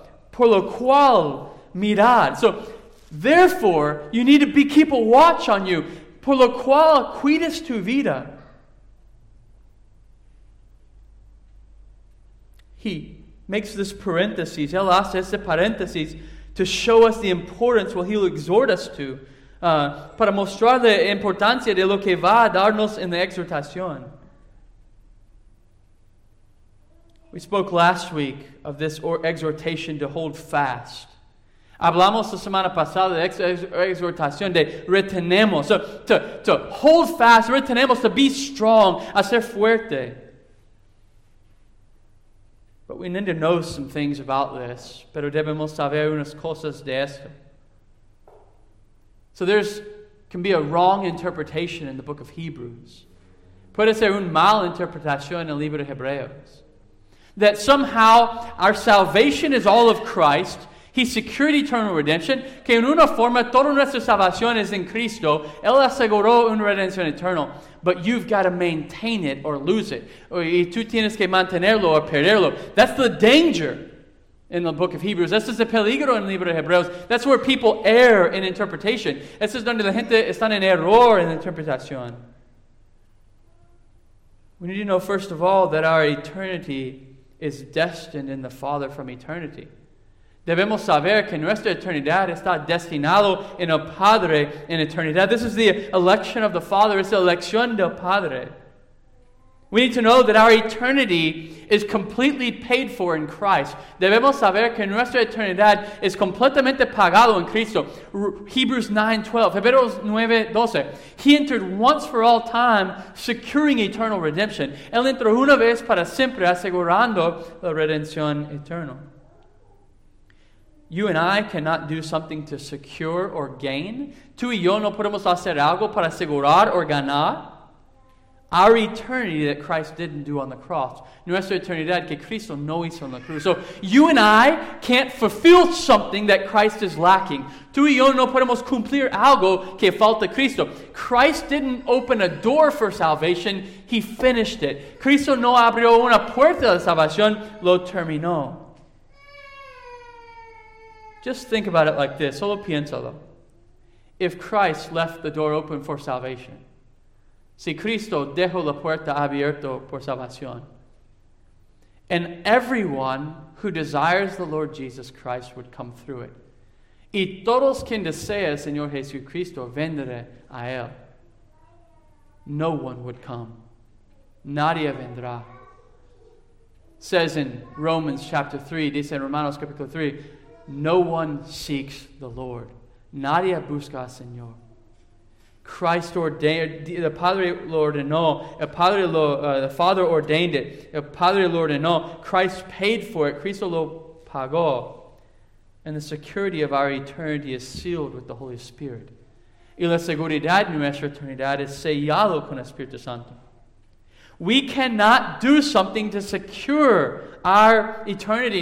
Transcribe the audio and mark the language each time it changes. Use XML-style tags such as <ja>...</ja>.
<es>Por lo cual, mirad.</es> <en>So, therefore, you need to keep a watch on you.</en> <es>Por lo cual, cuides tu vida.</es> <en>He makes this parenthesis,</en> <es>él hace este paréntesis,</es> <en>to show us the importance, what he'll exhort us to,</en> <es>para mostrar la importancia de lo que va a darnos en la exhortación.</es> <en>We spoke last week of this exhortation to hold fast.</en> <es>Hablamos la semana pasada de exhortación de retenemos,</es> <en>so, to hold fast,</en> <es>retenemos,</es> <en>to be strong,</en> <es>a ser fuerte.</es> <en>But we need to know some things about this.</en> <es>Pero debemos saber unas cosas de esto.</es> <en>So there can be a wrong interpretation in the book of Hebrews.</en> <es>Puede ser un mal interpretación en el libro de Hebreos.</es> <en>That somehow our salvation is all of Christ. He secured eternal redemption.</en> <es>Que en una forma toda nuestra salvación es en Cristo. Él aseguró una redención eterna.</es> <en>But you've got to maintain it or lose it.</en> <es>Y tú tienes que mantenerlo o perderlo.</es> <en>That's the danger in the book of Hebrews.</en> <es>Este es el peligro en el libro de Hebreos.</es> <en>That's where people err in interpretation.</en> <es>Este es donde la gente está en error en interpretación.</es> <en>We need to know, first of all, that our eternity is destined in the Father from eternity.</en> <es>Debemos saber que nuestra eternidad está destinado en el Padre en eternidad.</es> <en>This is the election of the Father. It's the election</en> <es>del Padre.</es> <en>We need to know that our eternity is completely paid for in Christ.</en> <es>Debemos saber que nuestra eternidad es completamente pagado en Cristo. Hebreos 9:12.</es> <en>He entered once for all time, securing eternal redemption.</en> <es>Él entró una vez para siempre, asegurando la redención eterna.</es> <en>You and I cannot do something to secure or gain.</en> <es>Tú y yo no podemos hacer algo para asegurar o ganar.</es> <en>Our eternity that Christ didn't do on the cross.</en> <es>Nuestra eternidad que Cristo no hizo en la cruz.</es> <en>So you and I can't fulfill something that Christ is lacking.</en> <es>Tú y yo no podemos cumplir algo que falta Cristo.</es> <en>Christ didn't open a door for salvation. He finished it.</en> <es>Cristo no abrió una puerta de salvación. Lo terminó.</es> <en>Just think about it like this.</en> <es>Solo piénsalo.</es> <en>If Christ left the door open for salvation,</en> <es>si Cristo dejó la puerta abierta por salvación,</es> <en>and everyone who desires the Lord Jesus Christ would come through it,</en> <es>y todos quien desea el Señor Jesucristo vendré a él,</es> <en>no one would come.</en> <es>Nadie vendrá.</es> <en>Says in Romans chapter 3,</en> <es>dice en Romanos capítulo 3,</es> <en>no one seeks the Lord.</en> <es>Nadie busca al Señor.</es> <en>Christ ordained it.</en> <es>The Padre lo ordenó.</es> <en>The Father ordained it.</en> <es>El Padre lo ordenó.</es> <en>Christ paid for it.</en> <es>Cristo lo pagó.</es> <en>And the security of our eternity is sealed with the Holy Spirit.</en> <es>Y la seguridad de nuestra eternidad es sellado con el Espíritu Santo.</es> <en>We cannot do something to secure our eternity.</en>